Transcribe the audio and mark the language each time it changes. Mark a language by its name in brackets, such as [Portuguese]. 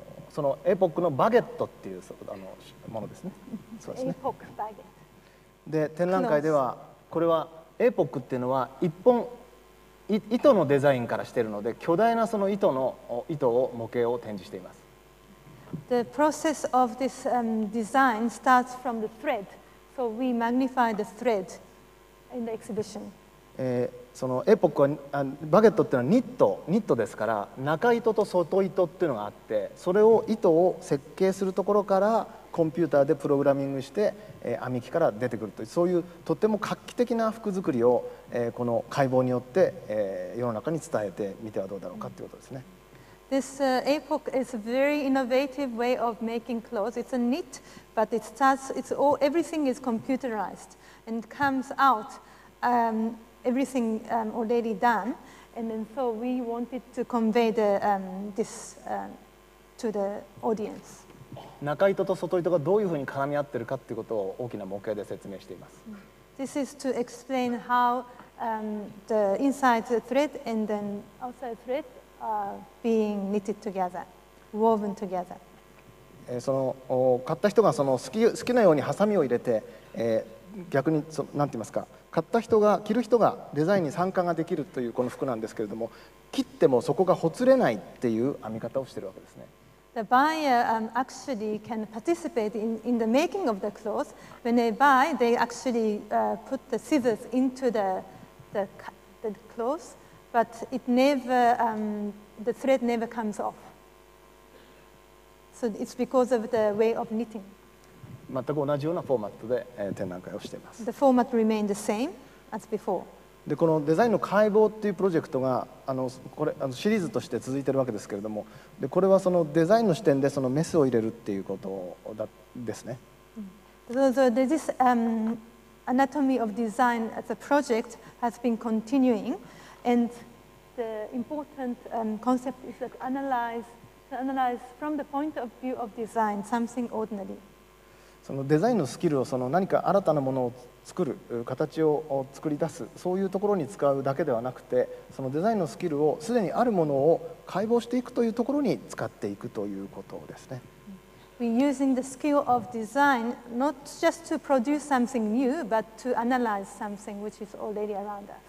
[Japanese] そのエポックのバゲットっていうものですね。そうですね。 [English] Epoch Baguette. [Japanese] で展覧会ではこれはエポックっていうのは一本糸のデザインからしているので巨大なその糸を模型を展示しています。 [English] The process of this design starts from the thread. So we magnify the thread in the exhibition. [Japanese] そのエポックはバゲットっていうのはニットですから中糸と外糸っていうのがあってそれを糸を設計するところからコンピューターでプログラミングして、編み機から出てくるというそういうとっても画期的な服作りを、この解剖によって、世の中に伝えてみてはどうだろうかということですね。 [English] This epoch is a very innovative way of making clothes. It's a knit, but it starts. It's all. Everything is computerized and comes out. Everything already done, and then so we wanted to convey the this to the audience. [Japanese] 中糸と外糸がどういうふうに絡み合ってるかっていうことを大きな模型で説明しています。 [English] This is to explain how the inside thread and then outside thread. Being knitted together, woven together. [Japanese] その買った人がその好きなようにハサミを入れて、逆にそなんて言いますか、買った人が着る人がデザインに参加ができるというこの服なんですけれども、切ってもそこがほつれないっていう編み方をしているわけですね。 [English] The buyer actually can participate in the making of the clothes. When they buy, they actually put the scissors into the clothes. But it never, the thread never comes off. So it's because of the way of knitting. [Japanese] 全く同じようなフォーマットで、展覧会をしています。 [English] The format remained the same as before. [Japanese] で、このデザインの解剖っていうプロジェクトが、これシリーズとして続いてるわけですけれども、で、これはそのデザインの視点でそのメスを入れるっていうことですね。 [English] So this anatomy of design as a project has been continuing.And the important concept is that analyze analyze from the point of view of design something ordinary. [Japanese] そのデザインのスキルをその何か新たなものを作る形を作り出すそういうところに使うだけではなくて、そのデザインのスキルをすでにあるものを解剖していくというところに使っていくということですね。 [English] We're using the skill of design not just to produce something new, but to analyze something which is already around us.